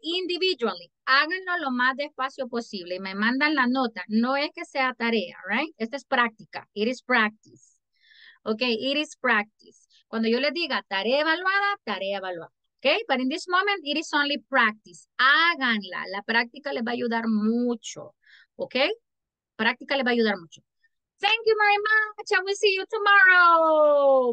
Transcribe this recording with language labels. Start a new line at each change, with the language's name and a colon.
Spanish: Individually, háganlo lo más despacio posible. Me mandan la nota. No es que sea tarea,
English: all right?
Spanish: Esta es práctica.
English: It is practice. Okay, it is practice.
Spanish: Cuando yo les diga tarea evaluada, okay?
English: But in this moment, it is only practice.
Spanish: Háganla. La práctica les va a ayudar mucho, okay? Práctica les va a ayudar mucho.
English: Thank you very much, and we'll see you tomorrow.